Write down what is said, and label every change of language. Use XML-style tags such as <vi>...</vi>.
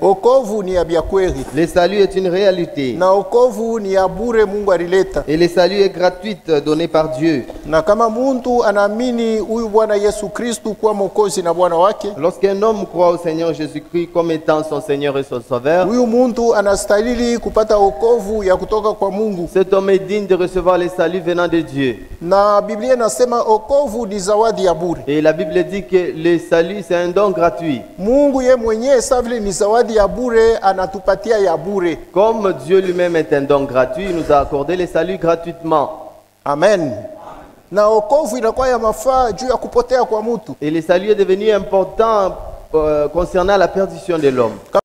<sw>Wokovu ni ya byakweli.</sw> <fr>Le salut est une réalité.</fr> <sw>Na wokovu ni ya bure Mungu alileta.</sw> <fr>Et le salut est gratuit donné par Dieu.</fr> <sw>Na kama mtu anaamini huyu Bwana Yesu Kristo kuwa mwokozi na Bwana wake.</sw> <fr>Lorsqu'un homme croit au Seigneur Jésus-Christ comme étant son Seigneur et son Sauveur.</fr> <sw>Huyu mtu anastahili kupata wokovu ya kutoka kwa Mungu.</sw> <fr>Cet homme est digne de recevoir le salut venant de Dieu.</fr> <sw>Na Biblia nasema wokovu ni zawadi ya bure.</sw> <fr>Et la Bible dit que le salut c'est un don gratuit.</fr> <sw>Mungu yeye mwenyewe savile ni zawadi ya bure anatupatia ya bure.</sw> <fr>Comme Dieu lui-même est un don gratuit, il nous a accordé le salut gratuitement. Amen.</fr> <sw>Na wokovu inakuwa ya mafaa juu ya kupotea kwa mtu.</sw> <fr>Et le salut est devenu important concernant la perdition de l'homme.</fr>